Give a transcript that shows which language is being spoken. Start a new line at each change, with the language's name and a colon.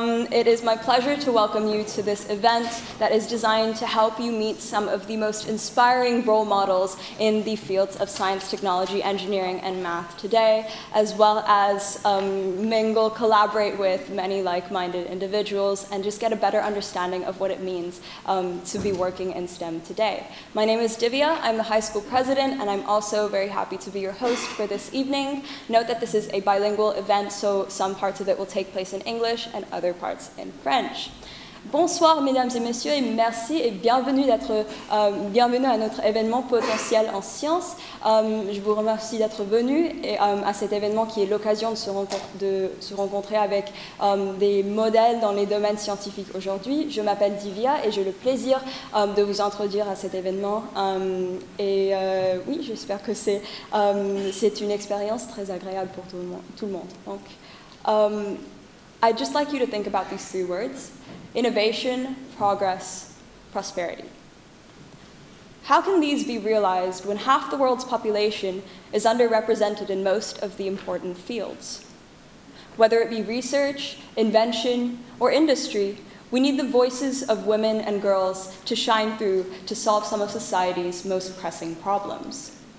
English: It is my pleasure to welcome you to this event that is designed to help you meet some of the most inspiring role models in the fields of science, technology, engineering, and math today, as well as mingle, collaborate with many like-minded individuals, and just get a better understanding of what it means to be working in STEM today. My name is Divya. I'm the high school president, and I'm also very happy to be your host for this evening. Note that this is a bilingual event, so some parts of it will take place in English and other parts in French.
French: Bonsoir, mesdames et messieurs, et merci et bienvenue d'être bienvenue à notre événement Potenti'elle en sciences. Je vous remercie d'être venu et à cet événement qui est l'occasion de se rencontrer avec des modèles dans les domaines scientifiques aujourd'hui. Je m'appelle Divya et j'ai le plaisir de vous introduire à cet événement. Oui, j'espère que c'est une expérience très agréable pour tout le monde.
English: Donc, I'd just like you to think about these three words. Innovation, progress, prosperity. How can these be realized when half the world's population is underrepresented in most of the important fields? Whether it be research, invention, or industry, we need the voices of women and girls to shine through to solve some of society's most pressing problems.